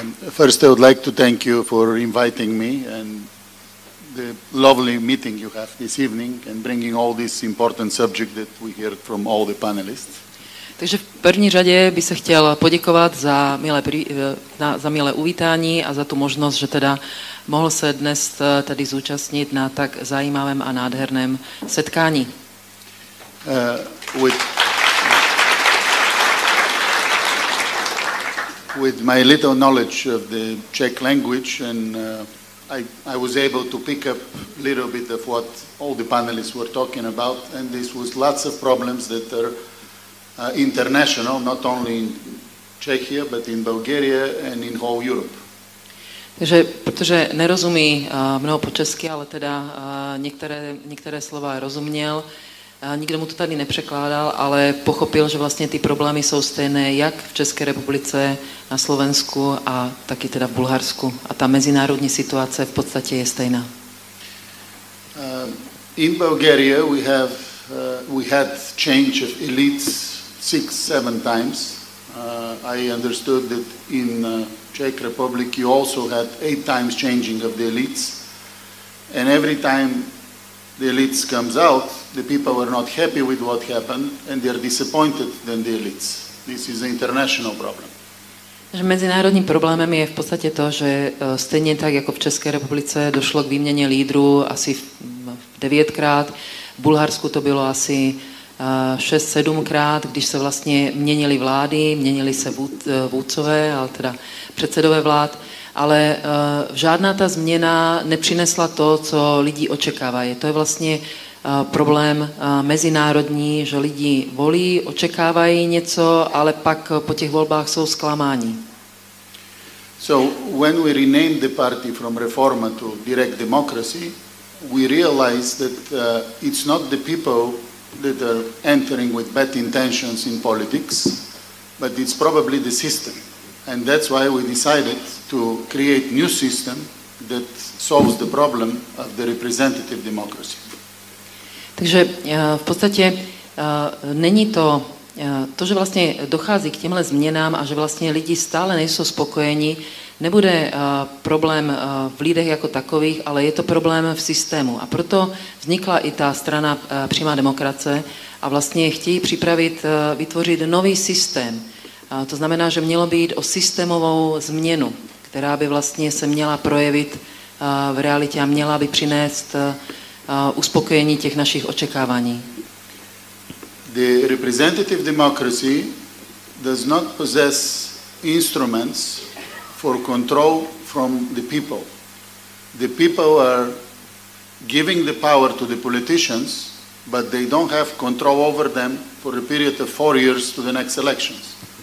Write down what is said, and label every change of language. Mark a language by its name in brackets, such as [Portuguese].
[English] First, I would like to thank you for inviting me and the lovely meeting you have this evening and bringing all this important subject that we hear from all the panelists. [Czech] Takže v první řadě by se chtěl poděkovat za milé uvítání a za tu možnost, že teda mohl se dnes tady zúčastnit na tak zajímavém a nádherném setkání. [English] With my little knowledge of the Czech language and I was able to pick up a little bit of what all the panelists were talking about, and this was lots of problems that are international, not only in Czechia, but in Bulgaria and in whole Europe. [Czech] Takže protože nerozumí mnoho po česky, ale teda některé slova rozuměl. Nikdo mu to tady nepřekládal, ale pochopil, že vlastně ty problémy jsou stejné jak v České republice, na Slovensku a taky teda v Bulharsku. A ta mezinárodní situace v podstatě je stejná. [English] In Bulgaria we have we had change of elites 6-7 times. I understood that in Czech Republic you also had 8 times changing of the elites. And every time the elites comes out, the people were not happy with what happened and they are disappointed than the elites. This is an international problem. [Czech] Že mezinárodním problémem je v podstatě to, že stejně tak jako v České republice došlo k výměně lídrů asi 9krát, v Bulharsku to bylo asi 6-7 krát, když se vlastně měnily vlády, měnily se vůdcové, ale teda předsedové vlád, ale žádná ta změna nepřinesla to, co lidi očekávají. To je vlastně problém mezinárodní, že lidi volí, očekávají něco, ale pak po těch volbách jsou zklamáni. [English] So when we renamed the party from Reforma to Direct Democracy, we realized that it's not the people that are entering with bad intentions in politics, but it's probably the system. And that's why we decided to create new system that solves the problem of the representative democracy. [Czech] Takže v podstatě není to, to, že vlastně dochází k těmhle změnám a že vlastně lidi stále nejsou spokojeni, nebude problém v lidech jako takových, ale je to problém v systému. A proto vznikla i ta strana Přímá demokracie a vlastně chtějí připravit, vytvořit nový systém. To znamená, že mělo by jít o systémovou změnu, která by vlastně se měla projevit v realitě a měla by přinést uspokojení těch našich očekávání. [English] The representative democracy does not possess instruments for control from the people. The people are giving the power to the politicians, but they don't have control over them for a period of 4 years to the next elections.